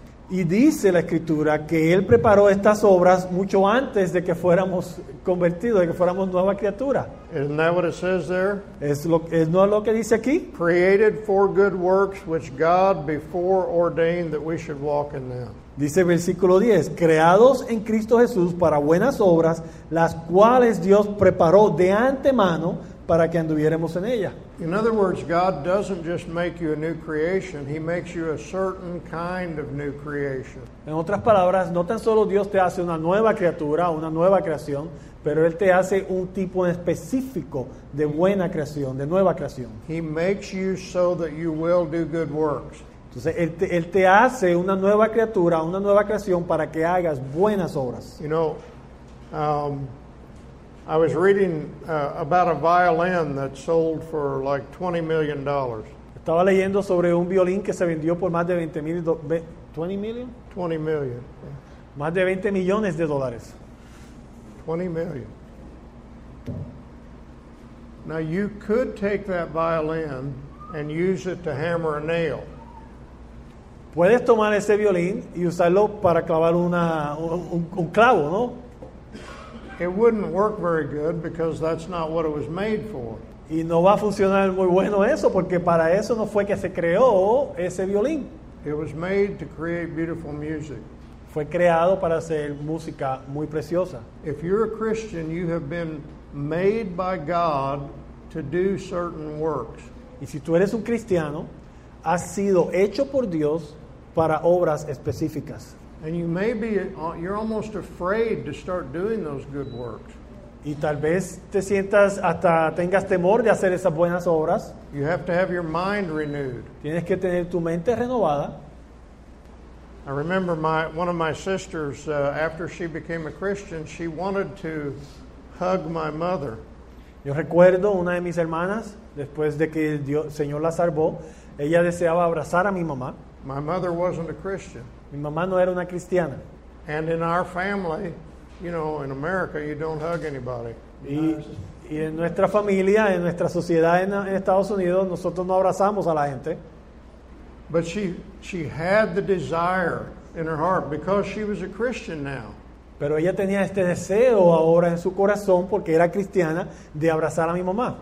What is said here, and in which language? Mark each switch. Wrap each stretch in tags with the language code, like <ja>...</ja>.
<es>Y dice la Escritura que Él preparó estas obras mucho antes de que fuéramos convertidos, de que fuéramos nueva criatura.</es> <en>Isn't that what it says there?</en> <es>¿No es lo que dice aquí?</es> <en>Created for good works which God before ordained that we should walk in them.</en> <es>Dice versículo 10, creados en Cristo Jesús para buenas obras, las cuales Dios preparó de antemano para que anduviéramos en ella.</es> <en>In other words, God doesn't just make you a new creation, He makes you a certain kind of new creation.</en> <es>En otras palabras, no tan solo Dios te hace una nueva criatura, una nueva creación, pero Él te hace un tipo específico de buena creación, de nueva creación.</es> <en>He makes you so that you will do good works.</en> <es>Entonces, Él te hace una nueva criatura, una nueva creación para que hagas buenas obras.</es> <en>You know, I was reading about a violin that sold for like $20 million.</en> <es>Estaba leyendo sobre un violín que se vendió por más de 20 mil</es> <en>$20 million? $20 million.</en> <es>Más de 20 millones de dólares.</es> <en>$20 million. Now you could take that violin and use it to hammer a nail.</en> <es>Puedes tomar ese violín y usarlo para clavar un clavo, ¿no?</es> <en>It wouldn't work very good because that's not what it was made for.</en> <es>Y no va a funcionar muy bueno eso porque para eso no fue que se creó ese violín.</es> <en>It was made to create beautiful music.</en> <es>Fue creado para hacer música muy preciosa.</es> <en>If you're a Christian, you have been made by God to do certain works.</en> <es>Y si tú eres un cristiano, has sido hecho por Dios para obras específicas.</es> <en>And you may be, you're almost afraid to start doing those good works.</en> <es>Y tal vez te sientas hasta tengas temor de hacer esas buenas obras.</es> <en>You have to have your mind renewed.</en> <es>Tienes que tener tu mente renovada.</es> <en>I remember one of my sisters, after she became a Christian, she wanted to hug my mother.</en> <es>Yo recuerdo una de mis hermanas, después de que Dios, Señor la salvó, ella deseaba abrazar a mi mamá.</es> <en>My mother wasn't a Christian.</en> <es>Mi mamá no era una cristiana.</es> <en>And in our family, you know, in America, you don't hug anybody.</en> <es>Y en nuestra familia, en nuestra sociedad en Estados Unidos, nosotros no abrazamos a la gente.</es> <en>But she had the desire in her heart because she was a Christian now.</en> <es>Pero ella tenía este deseo ahora en su corazón porque era cristiana de abrazar a mi mamá.</es>